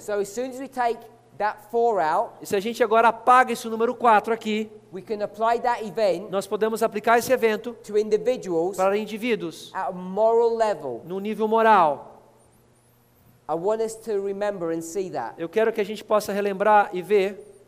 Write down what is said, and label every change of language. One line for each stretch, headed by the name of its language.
English: So as soon as we take that 4 out,
Portuguese: e se a gente agora apaga esse número 4 aqui,
English: we can apply that event,
Portuguese: nós podemos aplicar esse evento
English: to individuals,
Portuguese: para indivíduos,
English: at a moral level,
Portuguese: no nível moral.
English: I want us to remember and see that.
Portuguese: Eu quero que a gente possa relembrar e ver.